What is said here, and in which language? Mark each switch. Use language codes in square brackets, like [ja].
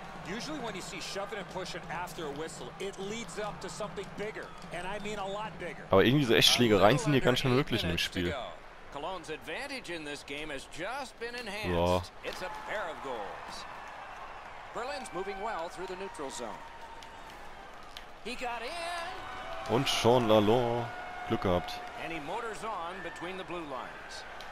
[en] Usually when you see shoving and pushing after a whistle, it leads up to something bigger. And I mean a lot bigger. [de] Aber irgendwie so echt Schlägereien sind hier ganz schön möglich in dem Spiel. [en] Cologne's advantage in this game has just been enhanced. It's a pair of goals. Berlin's moving well through the neutral zone. He got in. [de] Und Sean Lalonde, Glück gehabt. [en] And he motors on between the blue lines.